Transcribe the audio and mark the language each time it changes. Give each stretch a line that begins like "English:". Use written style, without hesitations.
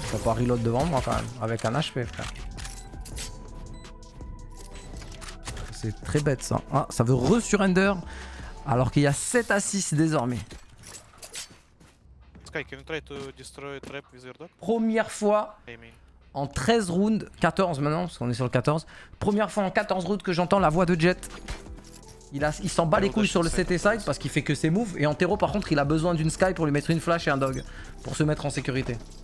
French: T'as pas reload devant moi quand même, avec un HP frère. C'est très bête ça. Ah, ça veut re-surrender alors qu'il y a 7 à 6 désormais.
English: Sky, can you try to destroy trap with your dog?
French: Première fois! En 13 rounds, 14 maintenant, parce qu'on est sur le 14. Première fois en 14 rounds que j'entends la voix de Jett. Il s'en bat les couilles sur le CT side parce qu'il fait que ses moves. Et en terreau, par contre, il a besoin d'une Sky pour lui mettre une flash et un dog. Pour se mettre en sécurité.